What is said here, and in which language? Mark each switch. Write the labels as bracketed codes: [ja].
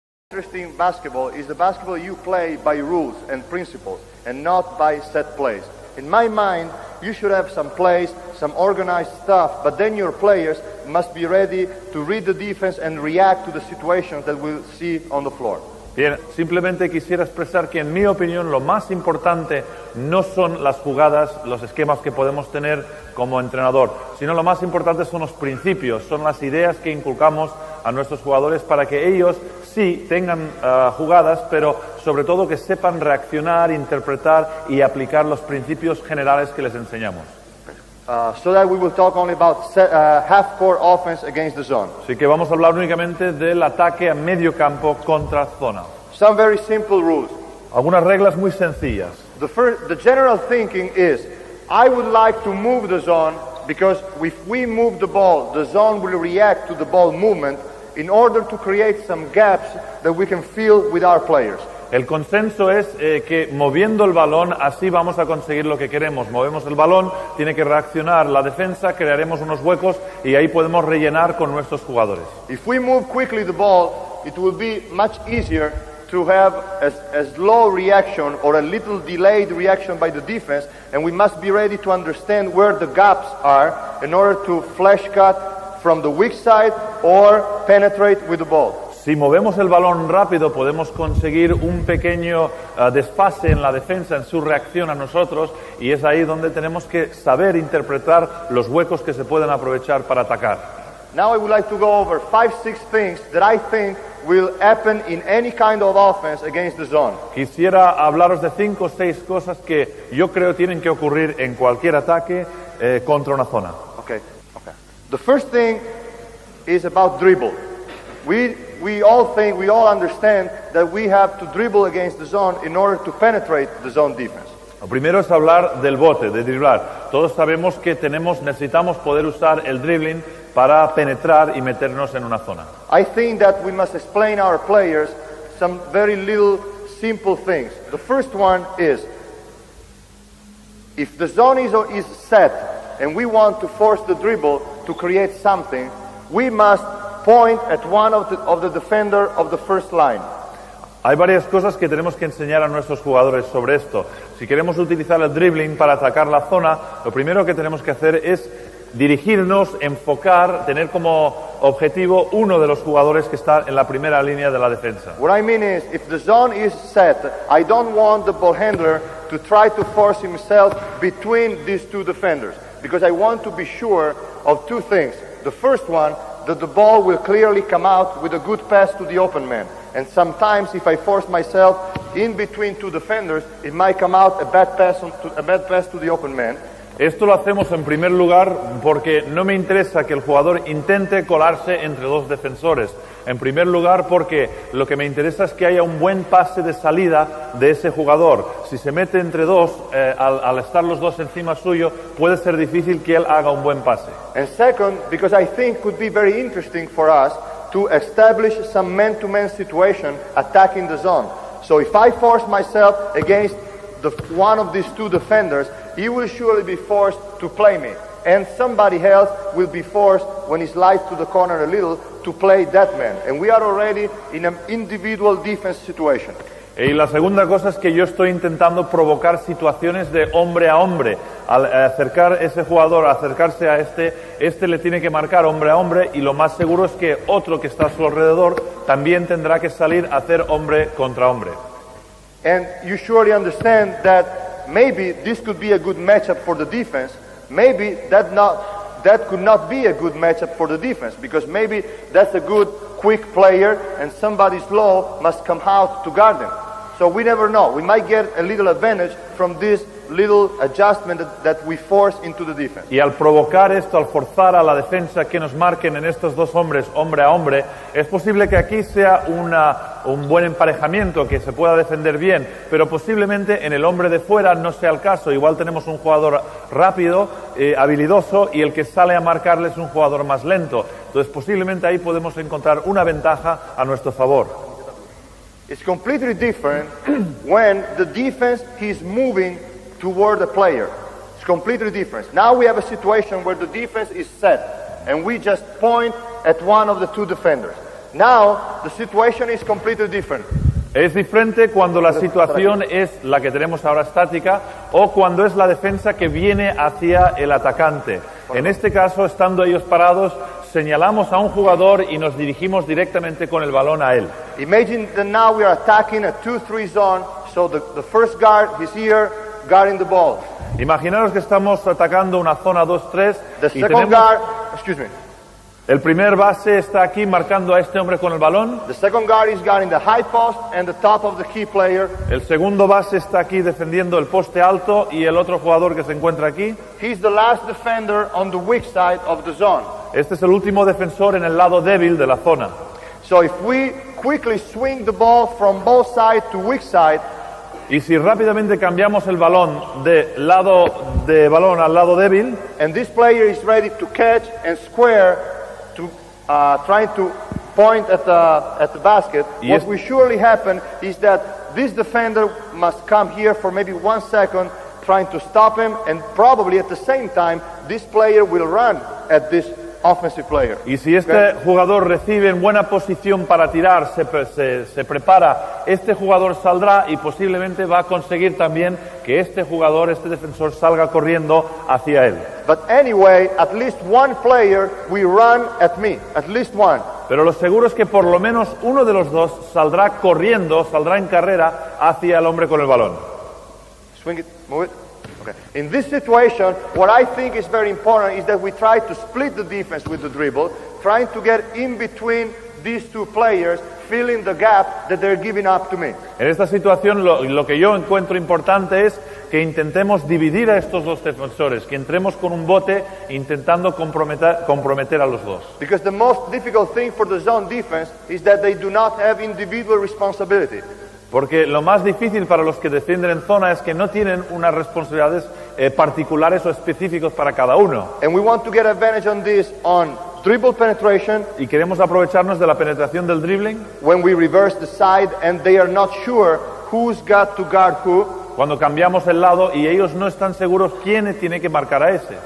[en] Interesting basketball is the basketball you play by rules and principles and not by set plays. In my mind, you should have some plays, some organized stuff, but then your players must be ready to read the defense and react to the situations that we'll see on the floor. [es] Bien, simplemente quisiera expresar que en mi opinión lo más importante no son las jugadas, los esquemas que podemos tener como entrenador, sino lo más importante son los principios, son las ideas que inculcamos a nuestros jugadores para que ellos sí tengan jugadas, pero sobre todo que sepan reaccionar, interpretar y aplicar los principios generales que les enseñamos. [en] So that we will talk only about half-court offense against the zone. [es] Así que vamos a hablar únicamente del ataque a medio campo contra zona. [en] Some very simple rules. [es] Algunas reglas muy sencillas. [en] The general thinking is, I would like to move the zone because if we move the zone will react to the ball movement in order to create some gaps that we can fill with our players. [es] El consenso es que moviendo el balón, así vamos a conseguir lo que queremos. Movemos el balón, tiene que reaccionar la defensa, crearemos unos huecos y ahí podemos rellenar con nuestros jugadores. [en] If we move quickly the ball, it will be much easier to have a slow reaction or a little delayed reaction by the defense, and we must be ready to understand where the gaps are in order to flash cut from the weak side or penetrate with the ball. [es] Si movemos el balón rápido, podemos conseguir un pequeño desfase en la defensa, en su reacción a nosotros, y es ahí donde tenemos que saber interpretar los huecos que se pueden aprovechar para atacar. [en] Now I would like to go over 5-6 things that I think will happen in any kind of offense against the zone. [es] Quisiera hablaros de 5 o 6 cosas que yo creo tienen que ocurrir en cualquier ataque contra una zona. [en] Okay. Okay. The first thing is about dribble. We all understand that we have to dribble against the zone in order to penetrate the zone defense. [es] Lo primero es hablar del bote, de driblar. Todos sabemos que necesitamos poder usar el dribbling para penetrar y meternos en una zona. [en] I think that we must explain our players some very little simple things. The first one is, if the zone is set and we want to force the dribble to create something, we must point at one of the defender of the first line. [es] Hay varias cosas que tenemos que enseñar a nuestros jugadores sobre esto. Si queremos utilizar el dribbling para atacar la zona, lo primero que tenemos que hacer es dirigirnos, enfocar, tener como objetivo uno de los jugadores que está en la primera línea de la defensa. [en] What I mean is, if the zone is set, I don't want the ball handler to try to force himself between these two defenders, because I want to be sure of two things. The first one, that the ball will clearly come out with a good pass to the open man. And sometimes, if I force myself in between two defenders, it might come out a bad pass to the open man. [es] Esto lo hacemos en primer lugar porque no me interesa que el jugador intente colarse entre dos defensores. En primer lugar porque lo que me interesa es que haya un buen pase de salida de ese jugador. Si se mete entre dos, al estar los dos encima suyo, puede ser difícil que él haga un buen pase. [en] And second, because I think it could be very interesting for us to establish some man-to-man situation attacking the zone. So if I force myself against one of these two defenders, he will surely be forced to play me, and somebody else will be forced, when he slides to the corner a little, to play that man. And we are already in an individual defense situation. [es] Y la segunda cosa es que yo estoy intentando provocar situaciones de hombre a hombre. Al acercar ese jugador, acercarse a este le tiene que marcar hombre a hombre, y lo más seguro es que otro que está a su alrededor también tendrá que salir a hacer hombre contra hombre. And you surely understand that maybe this could be a good matchup for the defense. Maybe that could not be a good matchup for the defense, because maybe that's a good quick player and somebody slow must come out to guard him. So we never know. We might get a little advantage from this little adjustment that we force into the defense. Y al provocar esto, al forzar a la defensa que nos marquen en estos dos hombres, hombre a hombre, es posible que aquí sea un buen emparejamiento, que se pueda defender bien, pero posiblemente en el hombre de fuera no sea el caso. Igual tenemos un jugador rápido, habilidoso, y el que sale a marcarle es un jugador más lento. Entonces, posiblemente ahí podemos encontrar una ventaja a nuestro favor. [en] It's completely different when the defense is moving toward the player. It's completely different. Now we have a situation where the defense is set, and we just point at one of the two defenders. Now the situation is completely different. [es] Es diferente cuando la situación es la que tenemos ahora estática o cuando es la defensa que viene hacia el atacante. En este caso, estando ellos parados, señalamos a un jugador y nos dirigimos directamente con el balón a él. [en] Imagine that now we are attacking a 2-3 zone, so the first guard is here guarding the ball. [es] Imaginaros que estamos atacando una zona 2-3 [en] the [es] y tenemos [en] guard, excuse me. [es] El primer base está aquí marcando a este hombre con el balón. [en] The second guard is guarding the high post and the top of the key player. [es] El segundo base está aquí defendiendo el poste alto y el otro jugador que se encuentra aquí. [en] He's the last defender on the weak side of the zone. [es] Este es el último defensor en el lado débil de la zona. [en] So if we quickly swing the ball from both sides to weak side, [es] y si rápidamente cambiamos el balón de lado de balón al lado débil, [en] and this player is ready to catch and square to trying to point at the basket, what will surely happen is that this defender must come here for maybe 1 second trying to stop him, and probably at the same time this player will run at this offensive player. [es] Y si este jugador recibe en buena posición para tirar, se prepara, este jugador saldrá y posiblemente va a conseguir también que este jugador, este defensor, salga corriendo hacia él. [en] But anyway, at least one player will run at me, at least one. [es] Pero lo seguro es que por lo menos uno de los dos saldrá corriendo, saldrá en carrera hacia el hombre con el balón. [en] Swing it, move it. In this situation, what I think is very important is that we try to split the defense with the dribble, trying to get in between these two players, filling the gap that they're giving up to me. [es] En esta situación, lo que yo encuentro importante es que intentemos dividir a estos dos defensores, que entremos con un bote intentando comprometer a los dos. [en] Because the most difficult thing for the zone defense is that they do not have individual responsibility. [es] Porque lo más difícil para los que defienden en zona es que no tienen unas responsabilidades particulares o específicas para cada uno. [en] And we want to get advantage on this on dribble penetration. [es] Y queremos aprovecharnos de la penetración del dribbling. [en] When we reverse the side and they are not sure who's got to guard who. [es] Cuando cambiamos el lado y ellos no están seguros quién tiene que marcar a ese.